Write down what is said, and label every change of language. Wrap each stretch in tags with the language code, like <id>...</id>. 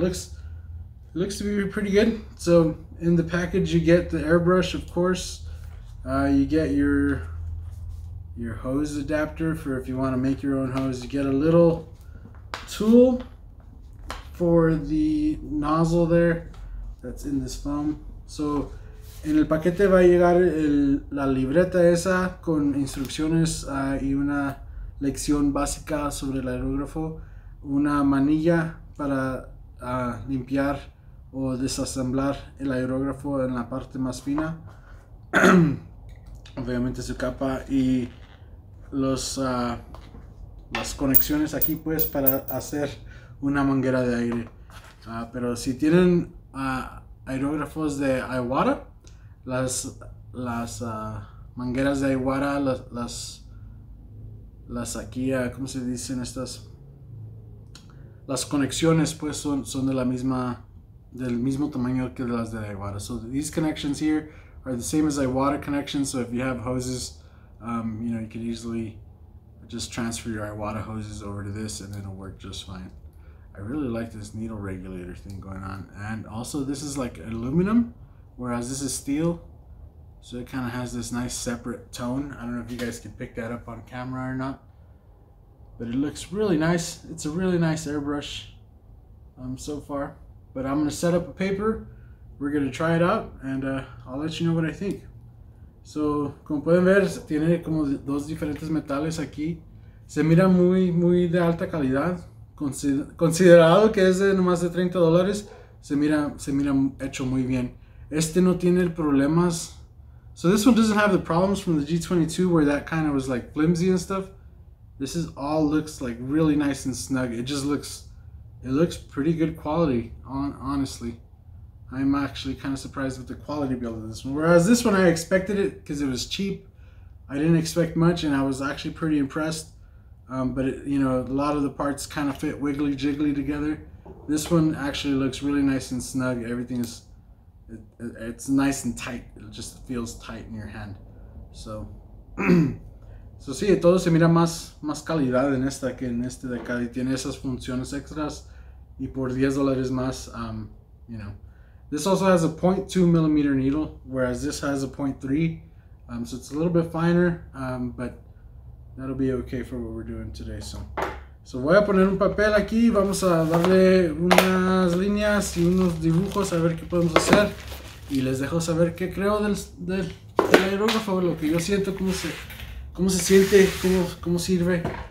<en>It looks to be pretty good. So in the package, you get the airbrush, of course. You get your hose adapter for if you want to make your own hose. You get a little tool for the nozzle there that's in this foam.</en> <es>So en el paquete va a llegar la libreta esa con instrucciones y una lección básica sobre el aerógrafo, una manilla para limpiar o desasamblar el aerógrafo en la parte más fina, obviamente su capa y las conexiones aquí pues para hacer una manguera de aire. Pero si tienen aerógrafos de Iwata, las mangueras de Iwata, las aquí, ¿cómo se dicen estas? Las conexiones pues son de la misma del mismo tamaño que de las de Aiwata.</es> <en>So these connections here are the same as Aiwata connections. So if you have hoses, you know, you can easily just transfer your Aiwata hoses over to this and it'll work just fine. I really like this needle regulator thing going on. And also this is like aluminum, whereas this is steel. So it kind of has this nice separate tone. I don't know if you guys can pick that up on camera or not, but it looks really nice. It's a really nice airbrush so far. But I'm gonna set up a paper. We're gonna try it out and I'll let you know what I think.</en> <es>So, como pueden ver, tiene como dos diferentes metales aquí. Se mira muy, muy de alta calidad. Considerado que es de más de $30, se mira hecho muy bien. Este no tiene problemas.</es> <en>So this one doesn't have the problems from the G22 where that kind of was like flimsy and stuff. This is all looks like really nice and snug. It just looks, it looks pretty good quality, honestly. I'm actually kind of surprised with the quality build of this one. Whereas this one, I expected it because it was cheap. I didn't expect much and I was actually pretty impressed. But it, you know, a lot of the parts kind of fit wiggly jiggly together. This one actually looks really nice and snug. Everything is, it's nice and tight. It just feels tight in your hand.</en> <es>So, so sí, todo se mira más calidad en esta que en este de acá. Y tiene esas funciones extras y por $10 más, you know.</es> <en>This also has a 0.2 millimeter needle, whereas this has a 0.3. So it's a little bit finer, but that'll be okay for what we're doing today.</en> <es>So voy a poner un papel aquí, vamos a darle unas líneas y unos dibujos a ver qué podemos hacer. Y les dejo saber qué creo del aerógrafo, lo que yo siento, cómo se siente, cómo sirve.</es>